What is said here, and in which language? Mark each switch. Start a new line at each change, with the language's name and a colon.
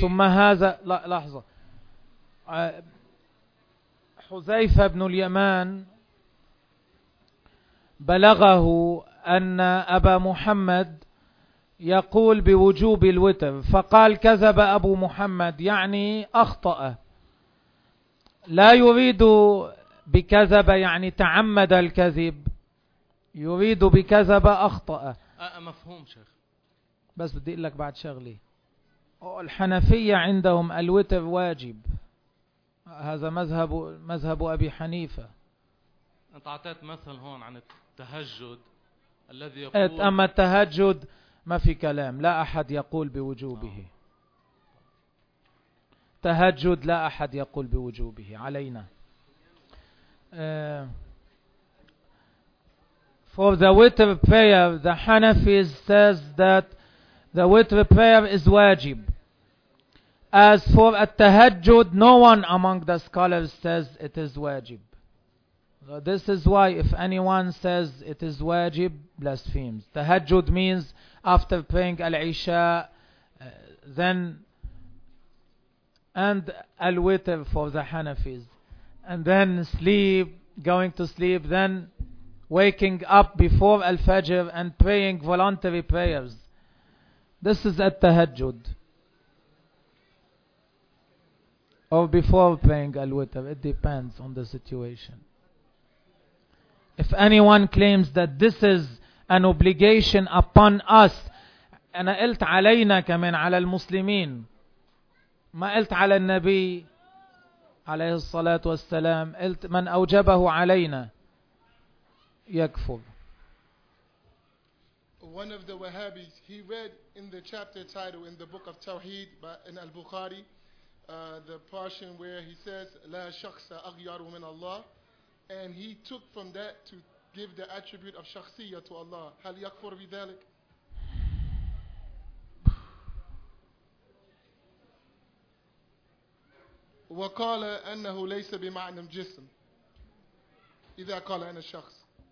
Arabic: ثم هذا لا لحظة حذيفة بن اليمان بلغه أن أبا محمد يقول بوجوب الوتر فقال كذب أبو محمد يعني أخطأ لا يريد بكذب يعني تعمد الكذب يريد بكذب أخطأ مفهوم شيخ بس بدي أقول لك بعد شغلي الحنفية عندهم الوتر واجب هذا مذهب أبي حنيفة أنت أعطيت مثل هون عن التهجد الذي يقول أما التهجد ما في كلام لا أحد يقول بوجوبه تهجد لا أحد يقول بوجوبه علينا
English: For the witr prayer the Hanafis says that the witr prayer is wajib As for at-tahajjud, no one among the scholars says it is wajib. So this is why if anyone says it is wajib, blasphemes. Tahajjud means after praying al-isha, then, and al-witr for the Hanafis. And then sleep, going to sleep, then waking up before al-fajr and praying voluntary prayers. This is at-tahajjud. or before praying al-witr. It depends on the situation. If anyone claims that this is an obligation upon us,
Arabic: أنا قلت علينا كمان على المسلمين ما قلت على النبي عليه الصلاة والسلام قلت من أوجبه علينا يكفر.
English: One of the Wahhabis, he read in the chapter title in the book of Tawheed in Al-Bukhari the portion where he says
Arabic: لا شخص أغير من الله,
English: and he took from that to give the attribute of شخصية to Allah.
Arabic: هل يكفر بذلك؟ وقال أنه ليس بمعنى جسم إذا قال أنا شخص.